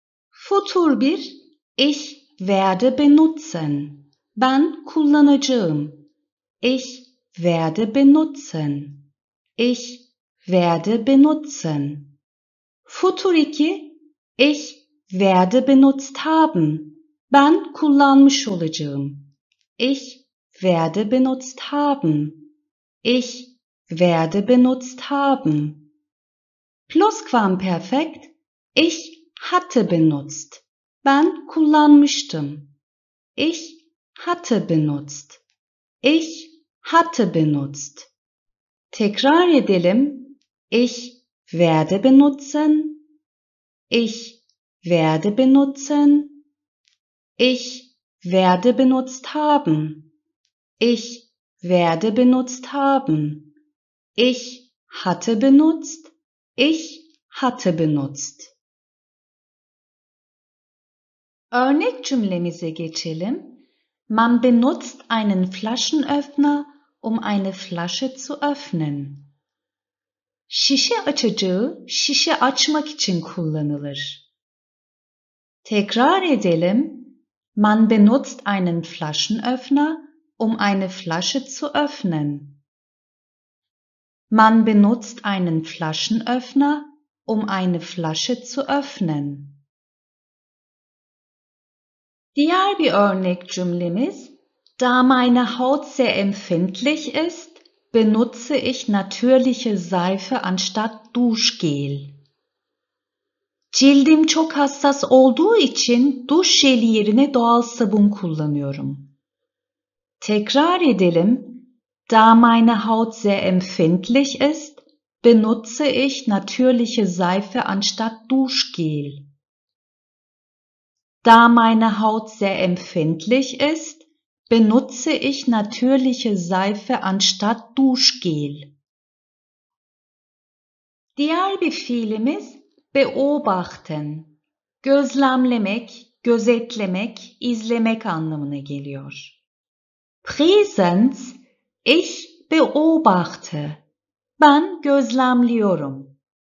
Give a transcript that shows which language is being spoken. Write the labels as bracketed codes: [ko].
[de] Futur 1, ich werde benutzen, [tr] ben kullanacağım. [de] Ich werde benutzen, ich werde benutzen. Futur 2, ich werde benutzt haben. [tr] Ben kullanmış olacağım. [de] Ich werde benutzt haben. Ich werde benutzt haben. Plusquamperfekt. Ich hatte benutzt. [tr] Ben kullanmıştım. [de] Ich hatte benutzt. Ich hatte benutzt. [tr] Tekrar edelim. [de] Ich werde benutzen. Ich werde benutzen. Ich werde benutzt haben. Ich werde benutzt haben. Ich hatte benutzt. Ich hatte benutzt. [tr] Örnek cümlemize geçelim. [de] Man benutzt einen Flaschenöffner, um eine Flasche zu öffnen. [tr] Şişe açıcıyı şişe açmak için kullanılır. Tekrar edelim. [de] Man benutzt einen Flaschenöffner, um eine Flasche zu öffnen. Man benutzt einen Flaschenöffner, um eine Flasche zu öffnen. [tr] Diğer bir örnek cümlemiz: [de] Da meine Haut sehr empfindlich ist, benutze ich natürliche Seife anstatt Duschgel. [tr] Cildim çok hassas olduğu için duş jeli yerine doğal sabun kullanıyorum. Tekrar edelim. [de] Da meine Haut sehr empfindlich ist, benutze ich natürliche Seife anstatt Duschgel. Da meine Haut sehr empfindlich ist, benutze ich natürliche Seife anstatt Duschgel. [tr] Diğer bir fiilimiz beobachten, gözlemlemek, gözetlemek, izlemek anlamına geliyor. Präsens, [de] Ich beobachte. [tr] Ben gözlemliyorum.